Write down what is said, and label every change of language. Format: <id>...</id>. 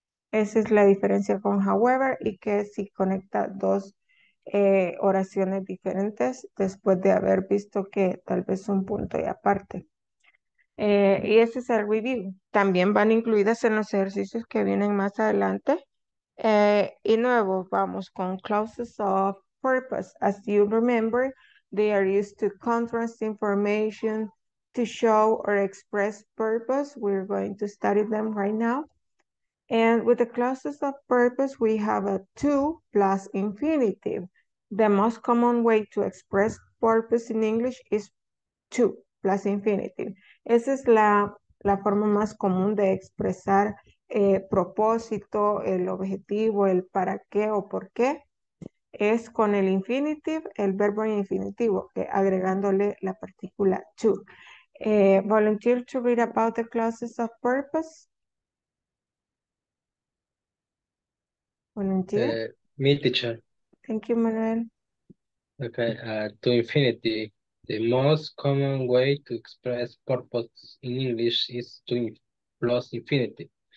<es>Esa es la diferencia con however y que si conecta dos oraciones diferentes después de haber visto que tal vez un punto y aparte. Y ese es el review. También van incluidas en los ejercicios que vienen más adelante. Y nuevo, vamos con clauses of purpose.</es> <en>As you remember, they are used to contrast information to show or express purpose. We're going to study them right now. And with the clauses of purpose, we have a to plus infinitive. The most common way to express purpose in English is to plus infinitive.</en> <es>Esa es la forma más común de expresar propósito, el objetivo, el para qué o por qué. Es con el infinitive, el verbo en infinitivo, agregándole la partícula to.</es> <en>Volunteer to read about the clauses of purpose. Volunteer. Me, teacher. Thank you, Manuel. Okay, to infinity. The most common way to express purpose in English is to plus infinity.</en>